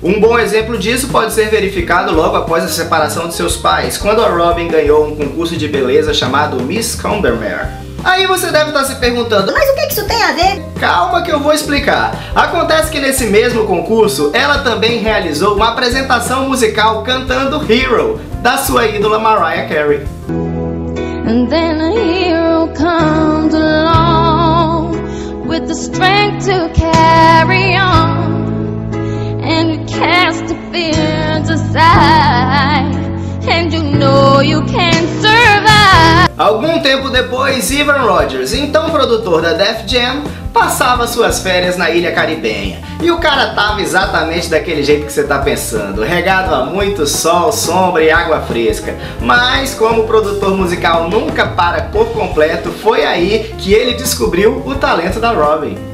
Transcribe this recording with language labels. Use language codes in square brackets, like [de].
[pt] Um bom exemplo disso pode ser verificado logo após a separação de seus pais, quando a Robin ganhou um concurso de beleza chamado Miss Cumberland. Aí você deve estar se perguntando, mas o que isso tem a ver? Calma que eu vou explicar. Acontece que nesse mesmo concurso, ela também realizou uma apresentação musical cantando Hero, da sua ídola Mariah Carey. [en] And then a hero comes along with the strength to carry on and you cast the fears aside and you know you can survive. [pt] Algum tempo depois, Ivan Rogers, então produtor da Def Jam, passava suas férias na ilha caribenha. E o cara tava exatamente daquele jeito que você tá pensando, regado a muito sol, sombra e água fresca. Mas como o produtor musical nunca para por completo, foi aí que ele descobriu o talento da Robin.